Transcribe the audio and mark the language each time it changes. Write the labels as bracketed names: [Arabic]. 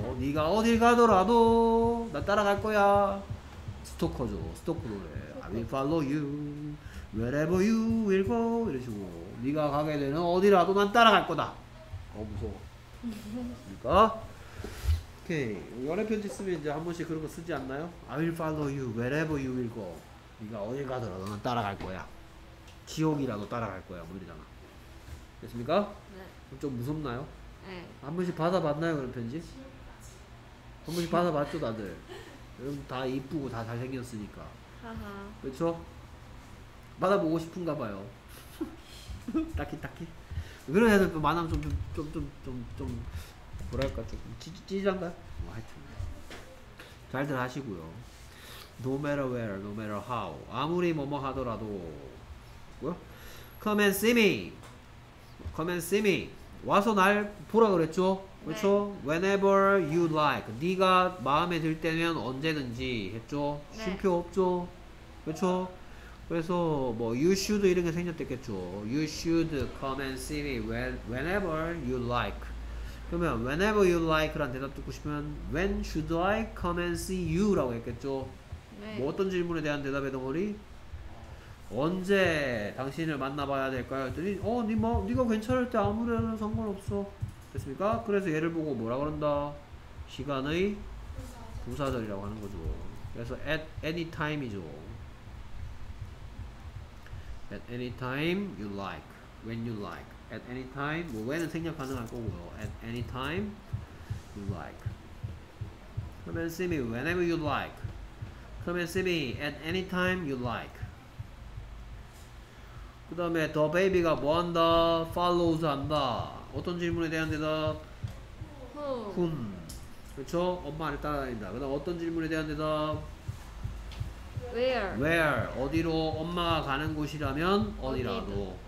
[Korean] 네가 어딜 가더라도 나 따라갈 거야. 스토커죠. 스토커 노래. [English] I will follow you wherever you will go [Korean] 이런 식으로 네가 가게 되는 어디라도 난 따라갈 거다. 어 무서워. 그러니까 오케이. 연애 편지 쓰면 이제 한 번씩 그런 거 쓰지 않나요? [English] I will follow you wherever you will go. [Korean] 네가 어딜 가더라도 난 따라갈 거야. 지옥이라도 따라갈 거야, 뭐 이러잖아. 됐습니까? 네. 좀 무섭나요? 네. 한 번씩 받아봤나요, 그런 편지? 한 번씩 받아봤죠, 다들. 여러분 다 이쁘고 다 잘생겼으니까. 하하. 그쵸? 받아보고 싶은가 봐요. 딱히, 딱히. 그런 애들 만나면 좀, 뭐랄까, 조금 찌질한가? 뭐 하여튼. 잘들 하시고요. [English] No matter where, no matter how. [Korean] 아무리 뭐뭐 하더라도. [English] Come and see me. Come and see me. [Korean] 와서 날 보라 그랬죠? 그렇죠? 네. [English] Whenever you like. [Korean] 네가 마음에 들 때면 언제든지 했죠? 네. 쉼표 없죠? 그렇죠? 그래서 뭐 [English] you should [Korean] 이런 게 생겼겠죠. [English] You should come and see me whenever you like. [Korean] 그러면 [English] whenever you like라는 [Korean] 대답 듣고 싶으면 [English] when should I come and see you라고 했겠죠? [Korean] 네. 뭐 어떤 질문에 대한 대답의 덩어리? 언제 당신을 만나봐야 될까요? 했더니 네가 괜찮을 때 아무래도 상관없어. 됐습니까? 그래서 얘를 보고 뭐라 그런다? 시간의 부사절이라고 하는 거죠. 그래서 [English] at any time이죠. At any time you like, when you like. At any time, 뭐 when은 [Korean] 생략 가능할 거고요. [English] At any time you like. Come and see me whenever you like. Come and see me at any time you like. [Korean] 그 다음에 더 베이비가 뭐 한다? follows 한다. 어떤 질문에 대한 대답? [English] whom. [Korean] 그쵸? 엄마를 따라다닌다. 그 다음 어떤 질문에 대한 대답? [English] where. where. [Korean] 어디로 엄마가 가는 곳이라면 어디라도.